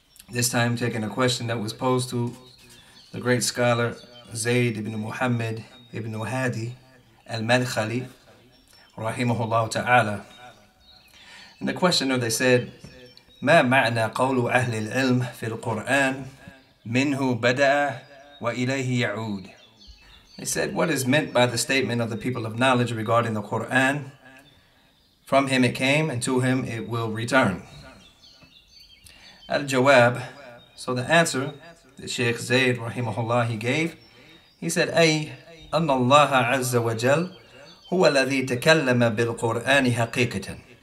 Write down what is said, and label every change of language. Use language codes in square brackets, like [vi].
[en] This time taking a question that was posed to the great scholar Zayd ibn Muhammad ibn Hadi al-Madkhali rahimahullah ta'ala. And the questioner, they said, [ar] ما معنى قول أهل العلم في القرآن منه بدأ وإليه يعود. [en] They said, what is meant by the statement of the people of knowledge regarding the Quran? From him it came and to him it will return. Al-Jawab, so the answer that Sheikh Zayd rahimahullah he gave, he said, [ar] أي أن الله عز وجل هو الذي تكلم بالقرآن حقيقة.